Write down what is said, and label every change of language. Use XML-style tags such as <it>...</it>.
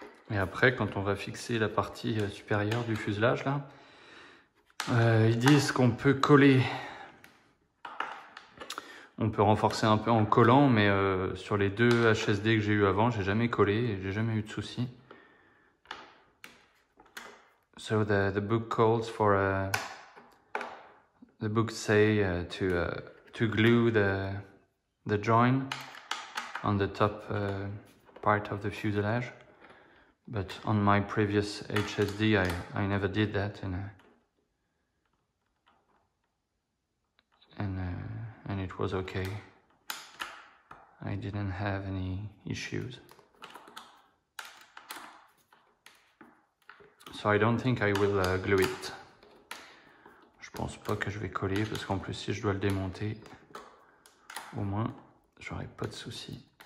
<fr>Et après, quand on va fixer la partie supérieure du fuselage, là, ils disent qu'on peut coller, on peut renforcer un peu en collant, mais sur les deux HSD que j'ai eu avant, j'ai jamais collé, j'ai jamais eu de soucis.</fr> <en>So the book calls for a the book say to glue the join on the top part of the fuselage, but on my previous HSD I never did that, and it was okay. I didn't have any issues, so I don't think I will glue it.</en> <fr>Je pense pas que je vais coller, parce qu'en plus si je dois le démonter, au moins j'aurai pas de soucis.</fr>